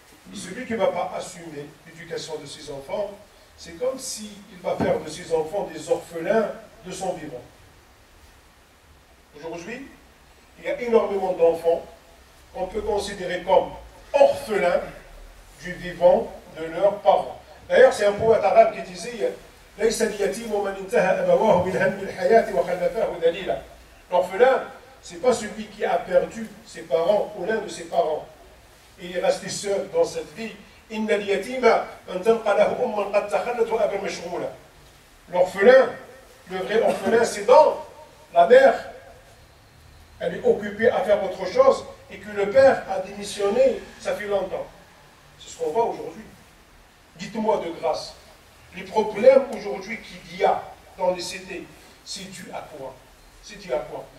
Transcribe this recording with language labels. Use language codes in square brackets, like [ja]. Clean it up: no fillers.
[fr] Et celui qui ne va pas assumer l'éducation de ses enfants, c'est comme s'il va faire de ses enfants des orphelins de son vivant. Aujourd'hui, il y a énormément d'enfants qu'on peut considérer comme orphelins du vivant de leurs parents. D'ailleurs, c'est un poète arabe qui disait [ar] ليس اليتيم ومن انتهى أبواه من هم الحياة وخلفاه دليلا. [fr] L'orphelin, c'est pas celui qui a perdu ses parents ou l'un de ses parents. Il est resté seul dans cette vie. [ar] إن اليتيم من تلقى له أما قد تخلت وأبا مشغولة. [fr] L'orphelin, le vrai orphelin, c'est dans la mère. Elle est occupée à faire autre chose et que le père a démissionné, ça fait longtemps. C'est ce qu'on voit aujourd'hui. Dites-moi de grâce, les problèmes aujourd'hui qu'il y a dans les cités, c'est dû à quoi? C'est dû à quoi?